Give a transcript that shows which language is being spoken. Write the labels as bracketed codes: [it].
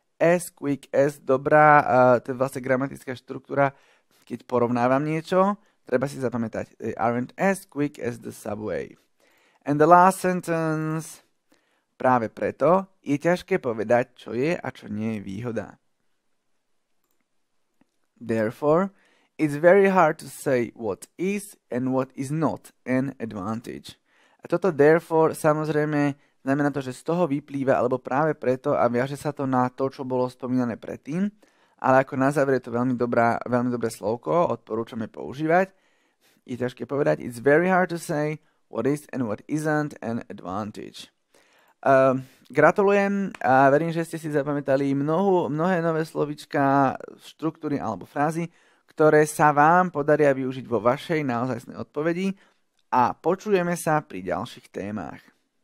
[sk] as, [en] quick as, [sk] dobrá, to je vlastne gramatická štruktúra, keď porovnávam niečo, treba si zapamätať. [en] They aren't as quick as the subway. And the last sentence. [sk] Práve preto je ťažké povedať, čo je a čo nie je výhoda. [en] Therefore, it's very hard to say what is and what is not an advantage. [sk] A toto therefore samozrejme znamená to, že z toho vyplýva, alebo práve preto a viaže sa to na to, čo bolo spomínané predtým, ale ako na záver je to veľmi dobré slovko, odporúčame používať. Je ťažké povedať, [en] it's very hard to say what is and what isn't an advantage. [sk] Gratulujem a verím, že ste si zapamätali mnohé nové slovička, štruktúry alebo frázy, ktoré sa vám podaria využiť vo vašej naozajstnej odpovedi a počujeme sa pri ďalších témach.